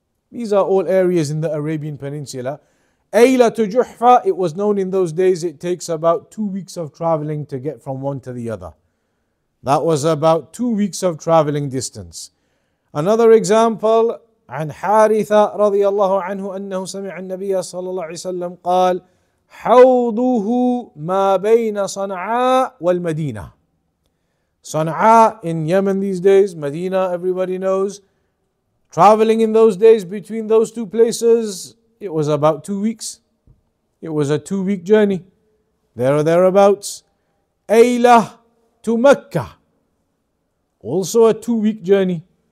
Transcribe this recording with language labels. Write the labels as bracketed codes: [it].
[en] These are all areas in the Arabian Peninsula. Aylah to Juhfa, it was known in those days, it takes about 2 weeks of traveling to get from one to the other. That was about 2 weeks of traveling distance. Another example, [ar] عن حارثة رضي الله عنه أنه سمع النبي صلى الله عليه وسلم قال حوضه ما بين صنعاء والمدينة. [en] Sanaa in Yemen these days, Medina everybody knows. Traveling in those days between those two places, it was about 2 weeks. It was a 2 week journey. There or thereabouts. Aylah to Mecca. Also a 2 week journey.